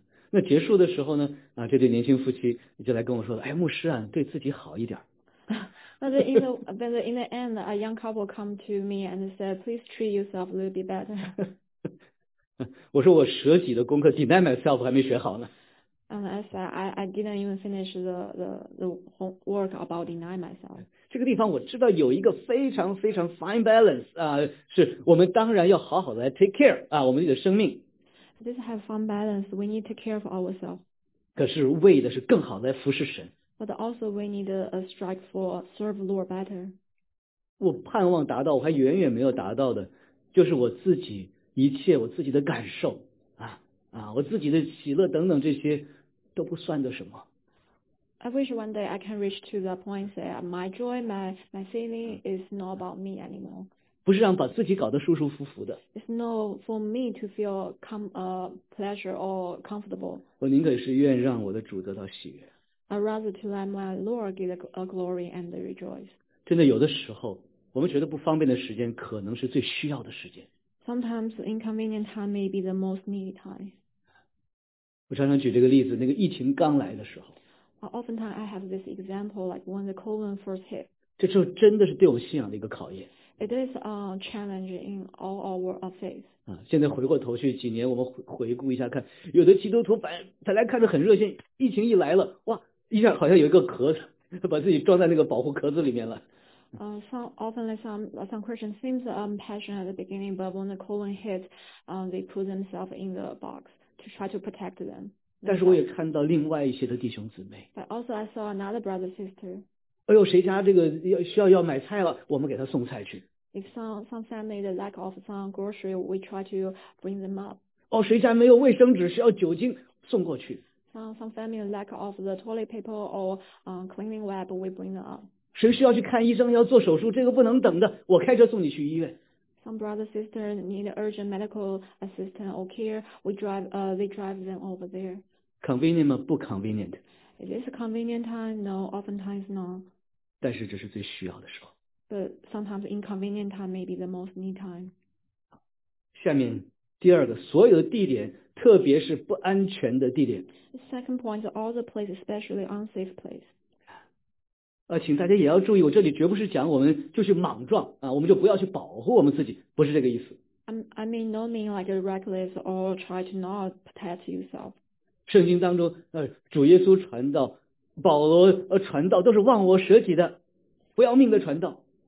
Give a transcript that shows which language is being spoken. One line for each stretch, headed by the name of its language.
Chinese: 那结束的时候呢？啊，这对年轻夫妻就来跟我说了，哎，牧师啊，对自己好一点。
English: But in the end, a young couple come to me and said, please treat yourself a little bit better.
Chinese: 我说我舍己的功课
English: deny myself
Chinese: 还没学好呢。
English: And I said, I didn't even finish the work about deny myself.
Chinese: 这个地方我知道有一个非常非常
English: fine balance
Chinese: 啊，是我们当然要好好的来
English: take care
Chinese: 啊，我们自己的生命。
English: This have fine balance. We need to care for ourselves.
Chinese: 可是为的是更好的来服侍神。
English: But also we need a strike for serve Lord better.
Chinese: 我盼望达到，我还远远没有达到的，就是我自己一切我自己的感受。我自己的喜乐等等这些都不算得什么。
English: I wish one day I can reach to the point that my joy, my feeling is not about me anymore.
Chinese: 不是让把自己搞得舒舒服服的。
English: It's not for me to feel pleasure or comfortable.
Chinese: 我宁可是愿让我的主得到喜悦。
English: I'd rather to let my Lord get a glory and rejoice.
Chinese: 真的有的时候，我们觉得不方便的时间，可能是最需要的时间。
English: Sometimes inconvenient time may be the most needed time.
Chinese: 我常常举这个例子，那个疫情刚来的时候。
English: Oftentimes I have this example, like when the COVID first hit.
Chinese: 这时候真的是对我们信仰的一个考验。
English: It is a challenge in all our faith.
Chinese: 啊，现在回过头去几年，我们回顾一下看，有的基督徒本来看着很热心，疫情一来了，哇，一下好像有一个壳子，把自己装在那个保护壳子里面了。
English: Some Christians seem passionate at the beginning, but when the COVID hit, they put themselves in the box to try to protect them.
Chinese: 但是我也看到另外一些的弟兄姊妹。
English: But also I saw another brother sister.
Chinese: 哎呦，谁家这个需要买菜了，我们给他送菜去。
English: If some family the lack of some grocery, we try to bring them up.
Chinese: 哦，谁家没有卫生纸需要酒精送过去。
English: Some family lack of the toilet paper or cleaning wipe, we bring them up.
Chinese: 谁需要去看医生要做手术这个不能等的我开车送你去医院。
English: Some brother sister need urgent medical assistance or care, they drive them over there.
Chinese: Convenient 吗？不 convenient.
English: It is a convenient time, no, oftentimes not.
Chinese: 但是这是最需要的时候。
English: But sometimes inconvenient time may be the most need time.
Chinese: 下面第二个，所有的地点特别是不安全的地点。
English: The second point, all the places, especially unsafe places.
Chinese: 请大家也要注意，我这里绝不是讲我们就是莽撞啊，我们就不要去保护我们自己，不是这个意思。
English: I mean no mean like a reckless or try to not protect yourself.
Chinese: 圣经当中，主耶稣传道，保罗传道都是忘我舍己的，不要命的传道。